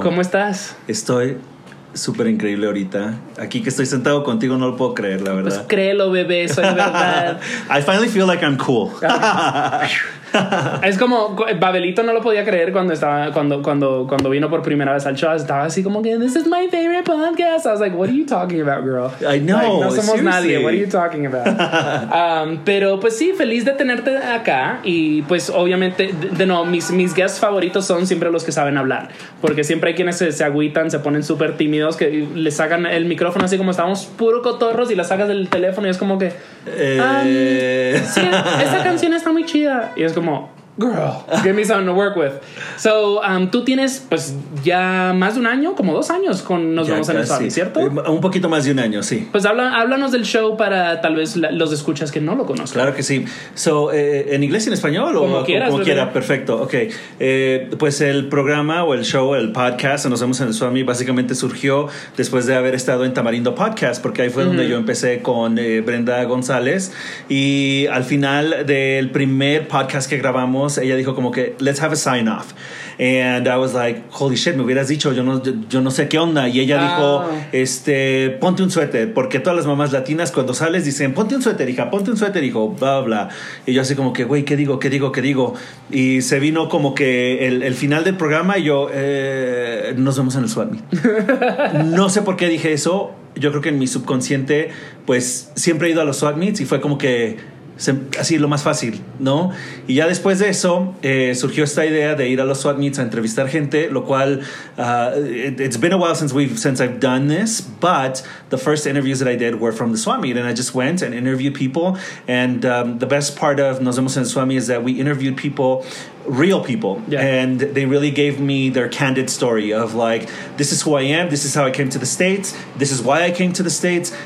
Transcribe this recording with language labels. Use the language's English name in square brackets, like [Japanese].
[Spanish] ¿Cómo estás? Estoy súper increíble ahorita. Aquí que estoy sentado contigo no lo puedo creer, la verdad. Pues créelo, bebé, soy verdad. [English] I finally feel like I'm cool. [Spanish] Es como Babelito no lo podía creer cuando estaba cuando vino por primera vez al show. Estaba así como que [English] this is my favorite podcast. I was like, what are you talking about, girl? I know, [Spanish] like, no somos [English] seriously. [Spanish] Nadie, [English] what are you talking about? [Spanish] Pero pues sí, feliz de tenerte acá. Y pues obviamente de no, mis guests favoritos son siempre los que saben hablar, porque siempre hay quienes se agüitan, se ponen súper tímidos, que le sacan el micrófono así como estamos puro cotorros y la sacas del teléfono y es como que sí, esa canción está muy chida. Y es como, [English] girl, give me something to work with. [Spanish] So, tú tienes, pues, ya más de un año, como 2 años con Nos Vemos en el Swap Meet, ¿cierto? Un poquito más de un año, sí. Pues háblanos del show para tal vez los escuchas que no lo conozcan. Claro que sí. So, ¿en inglés y en español? Como quieras. Como quiera, perfecto. Ok. Pues el programa o el show, el podcast, Nos Vemos en el Swap Meet, básicamente surgió después de haber estado en Tamarindo Podcast, porque ahí fue donde yo empecé con Brenda González. Y al final del primer podcast que grabamos, ella dijo como que [English] let's have a sign off, and I was like, holy shit, [Spanish] me hubieras dicho, yo no sé qué onda. Y ella dijo, ponte un suéter, porque todas las mamás latinas cuando sales dicen ponte un suéter hijo, bla bla. Y yo así como que, güey, qué digo. Y se vino como que el final del programa y yo, nos vemos en el Swap Meet. No sé por qué dije eso. Yo creo que en mi subconsciente, pues siempre he ido a los Swap Meets y fue como que así lo más fácil, ¿no? Y ya después de eso surgió esta idea de ir a los Swap Meets a entrevistar gente, lo cual [English] it's been a while since I've done this, but the first interviews that I did were from the Swap Meet, and I just went and interviewed people. And the best part of Nos Vemos en el Swap Meet is that we interviewed people, real people, and they really gave me their candid story of like, this is who I am, this is how I came to the States, this is why I came to the States.